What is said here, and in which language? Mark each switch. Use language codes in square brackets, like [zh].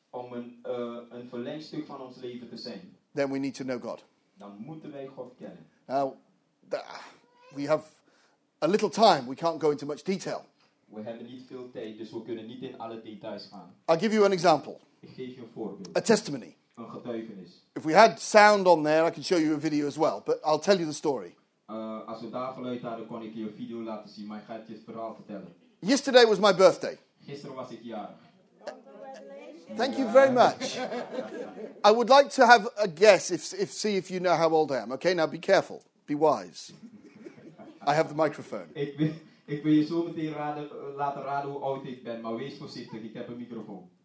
[nl] Om een verlengstuk van ons leven te zijn. [en] Then we need to know God. [nl] Dan moeten wij God kennen. [en] Now, we have a little time. We can't go into much detail. [nl] We hebben niet veel tijd, dus we kunnen niet in alle details gaan. [en] I'll give you an example. [nl] Ik geef je een voorbeeld. [en] A testimony. [nl] Een getuigenis. [en] If we had sound on there, I can show you a video as well. But I'll tell you the story. [nl] Als we daar geluid hadden, kon ik je een video laten zien. Maar ik ga het je verhaal vertellen. [en] Yesterday was my birthday. [nl] Gisteren was ik jarig. [en] Thank you very much. I would like to have a guess, if you know how old I am. Okay, now be careful. Be wise. I have the microphone. [nl] Ik wil, Ik wil je zo meteen laten raden hoe oud ik ben, maar wees voorzichtig, ik heb een microfoon.